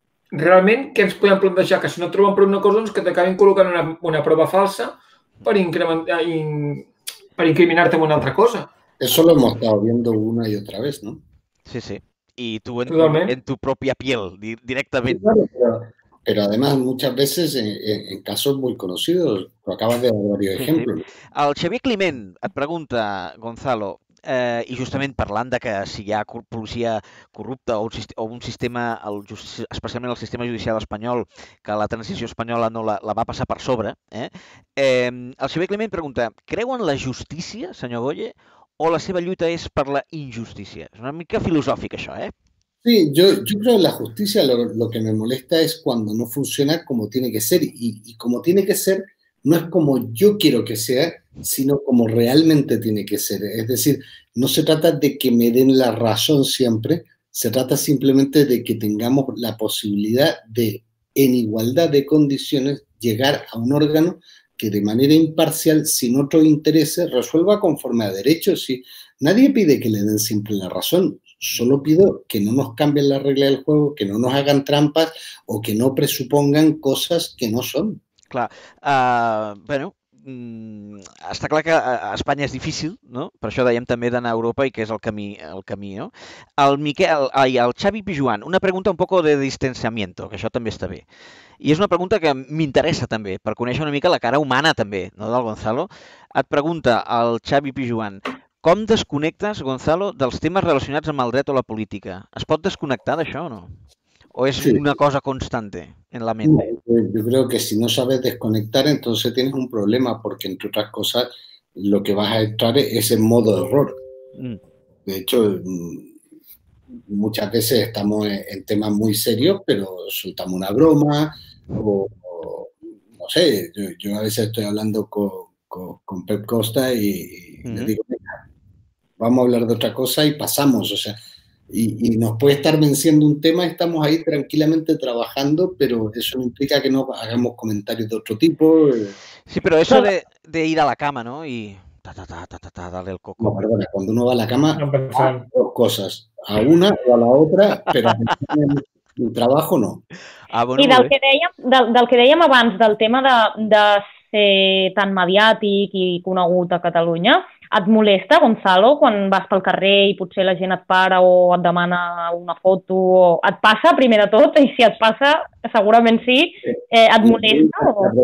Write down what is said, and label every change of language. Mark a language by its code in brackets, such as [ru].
[ca] Realment, què ens podem plantejar? Que si no troben prou una cosa, doncs que t'acabin col·locant una prova falsa per incrementar... per incriminar-te en una altra cosa. [es] Eso lo hemos estado viendo una y otra vez, ¿no? Sí, sí. Y tú en tu propia piel, directamente. Sí, claro, pero además muchas veces en casos muy conocidos, lo acabas de dar varios ejemplos. Sí, sí. [ca] El Xavier Climent et pregunta, Gonzalo, i justament parlant de que si hi ha policia corrupta o un sistema, especialment el sistema judicial espanyol, que la transició espanyola no la va passar per sobre, el Xavier Climent pregunta, creu en la justícia, senyor Boye, o la seva lluita és per la injustícia? És una mica filosòfic, això, eh? [es] Sí, yo creo en la justicia. Lo que me molesta es cuando no funciona como tiene que ser. Y como tiene que ser, no es como yo quiero que sea, sino como realmente tiene que ser. Es decir, no se trata de que me den la razón siempre, se trata simplemente de que tengamos la posibilidad de, en igualdad de condiciones, llegar a un órgano que de manera imparcial, sin otros intereses, resuelva conforme a derecho. Sí, nadie pide que le den siempre la razón, solo pido que no nos cambien la regla del juego, que no nos hagan trampas o que no presupongan cosas que no son. [ca] Clar, bueno, està clar que a Espanya és difícil, no? Per això dèiem també d'anar a Europa i que és el camí, no? El Xavi Pijuan, una pregunta [es] un poco de distanciamiento, [ca] que això també està bé. I és una pregunta que m'interessa també, per conèixer una mica la cara humana també, no, del Gonzalo. Et pregunta el Xavi Pijuan, Com desconnectes, Gonzalo, dels temes relacionats amb el dret o la política? Es pot desconnectar d'això o no? [es] ¿O es sí. una cosa constante en la mente? Yo creo que si no sabes desconectar, entonces tienes un problema, porque entre otras cosas, lo que vas a entrar es en modo error. De hecho, muchas veces estamos en temas muy serios, pero soltamos una broma, o no sé, yo a veces estoy hablando con Pep Costa y le digo, mira, vamos a hablar de otra cosa y pasamos, o sea, y nos puede estar venciendo un tema, estamos ahí tranquilamente trabajando, pero eso implica que no hagamos comentarios de otro tipo. Sí, pero eso de ir a la cama, ¿no? Y darle el coco. No, perdona, cuando uno va a la cama, dos cosas, a una o a la otra, pero el trabajo no. [ca] Ah, bueno, I del que dèiem abans, del tema de ser tan mediàtic i conegut a Catalunya, et molesta, Gonzalo, quan vas pel carrer i potser la gent et para o et demana una foto? O et passa, primer de tot, i si et passa, segurament sí, et molesta?